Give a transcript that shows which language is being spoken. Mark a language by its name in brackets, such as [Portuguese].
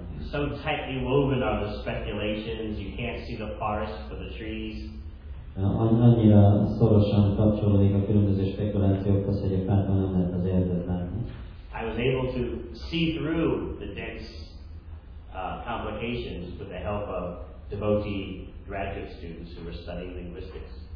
[English] So tightly woven are the speculations, you can't see the forest for the trees. [Hungarian] Annyira szorosan kapcsolódik a különböző spekulációkhoz, hogy a fákon nem lehet az erdőt látni. [English] I was able to see through the dense complications with the help of devotee graduate students who were studying linguistics.